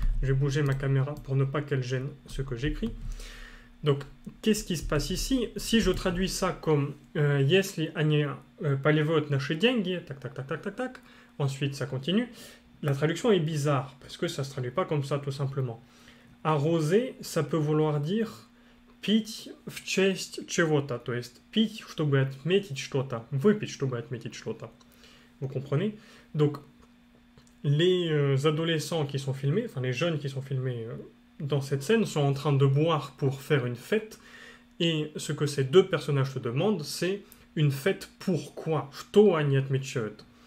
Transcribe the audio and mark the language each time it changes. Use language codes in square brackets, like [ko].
[fr] Je vais bouger ma caméra pour ne pas qu'elle gêne ce que j'écris. Donc, qu'est-ce qui se passe ici? Si je traduis ça comme [ru] yesli ania palivot nashi dengi, [fr] tac tac tac tac tac tac, ensuite ça continue. La traduction est bizarre parce que ça ne se traduit pas comme ça tout simplement. Arroser, ça peut vouloir dire. [ru] Pite в честь чего-то, то есть пить, чтобы отметить что-то, выпить, чтобы отметить что-то. [fr] Vous comprenez? Donc, les adolescents qui sont filmés, enfin les jeunes qui sont filmés dans cette scène, sont en train de boire pour faire une fête. Et ce que ces deux personnages se demandent, c'est une fête pourquoi? [ru] Что они отмечают?